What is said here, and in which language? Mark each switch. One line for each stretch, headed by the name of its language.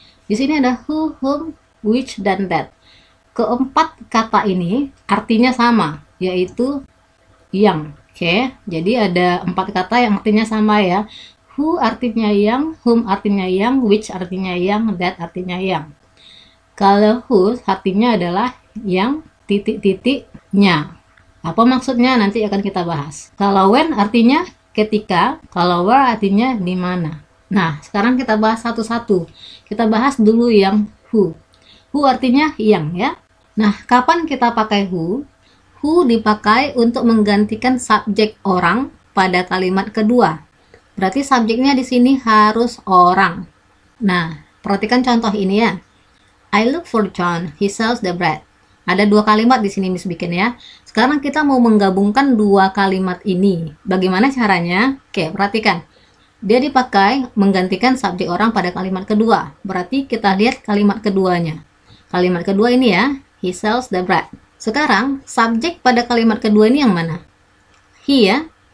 Indonesian: Di sini ada who, whom, which, dan that. Keempat kata ini artinya sama, yaitu yang. Oke, jadi ada empat kata yang artinya sama ya. Who artinya yang, whom artinya yang, which artinya yang, that artinya yang. Kalau who artinya adalah yang titik-titiknya. Apa maksudnya nanti akan kita bahas. Kalau when artinya ketika, kalau where artinya di mana. Nah, sekarang kita bahas satu-satu. Kita bahas dulu yang who. Who artinya yang ya. Nah, kapan kita pakai who? Who dipakai untuk menggantikan subjek orang pada kalimat kedua. Berarti subjeknya di sini harus orang. Nah, perhatikan contoh ini ya.
English: I look for John, he sells the bread.
Indonesian: Ada dua kalimat di sini Miss bikin ya. Sekarang kita mau menggabungkan dua kalimat ini. Bagaimana caranya? Oke, perhatikan. Dia dipakai menggantikan subjek orang pada kalimat kedua. Berarti kita lihat kalimat keduanya. Kalimat kedua ini ya,
English: he sells the bread.
Indonesian: Sekarang, subjek pada kalimat kedua ini yang mana? He ya.